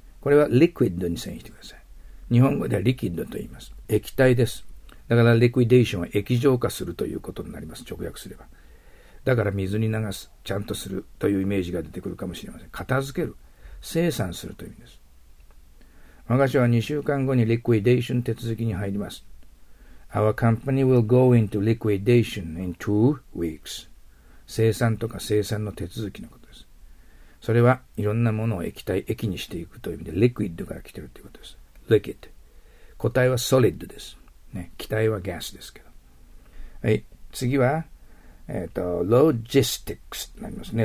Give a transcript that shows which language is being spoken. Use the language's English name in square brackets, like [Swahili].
[Japanese] これは liquid に遷移してください。日本語では liquid と言います。液体です。だから liquidation は液状化するということになります。直訳すれば。だから水に流す、ちゃんとするというイメージが出てくるかもしれません。片付ける、清算するという意味です。私は2週間後にリクイデーション手続きに入ります。 [English] Our company will go into liquidation in 2 weeks. [Japanese] 清算とか清算の手続きのことです。それはいろんなものを液体、液にしていくという意味で、リクイッドから来ているということです。リクイッド。固体はソリッドです。ね、気体はガスですけど。はい、次は、ロジスティックスになりますね。